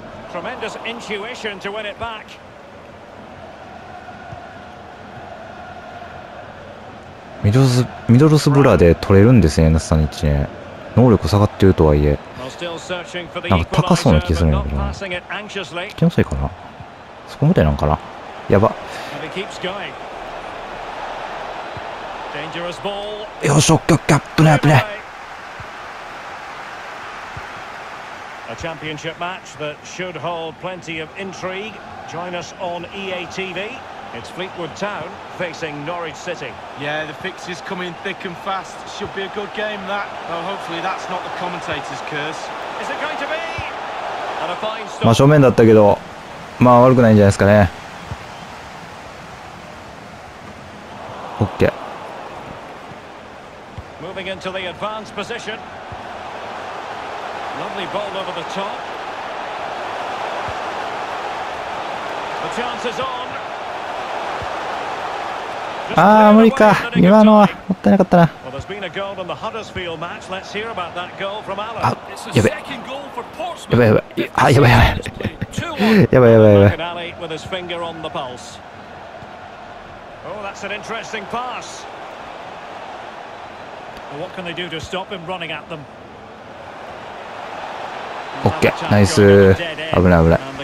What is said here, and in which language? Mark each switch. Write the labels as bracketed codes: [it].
[en] Tremendous intuition to win it back. [ja] Middlesbrough で取れるんですね、ナスタニッチね。能力下がってるとはいえ、なんか高そうな気するんだけどな。気のせいかな。そこまでなんかな。やば。よし、オッケー、オッケー、危ない、危ない。 [en] A championship match that should hold plenty of intrigue. Join us on EA TV. It's Fleetwood Town facing Norwich City. Yeah, the fixtures come in thick and fast. Should be a good game, that. Well, hopefully that's not the commentator's curse. Is it going to be? And a fine start. [ja] まあ正面だったけど、まあ悪くないんじゃないですかね。 [en] OK。 Moving into the advanced position. Lovely ball over the top. The chance is on. [ja] Ah, 無理か。今のはもったいなかったな。 [en] Well, there's been a goal in the Huddersfield match. Let's hear about that goal from Alan. [ja] Ah, やべ。やべやべ。あ、やべやべ。やべやべやべ。 [en] With his finger on the pulse. Oh, that's an interesting pass. What can they do to stop him running at them? [ja] オッケー、ナイス、危ない危ない。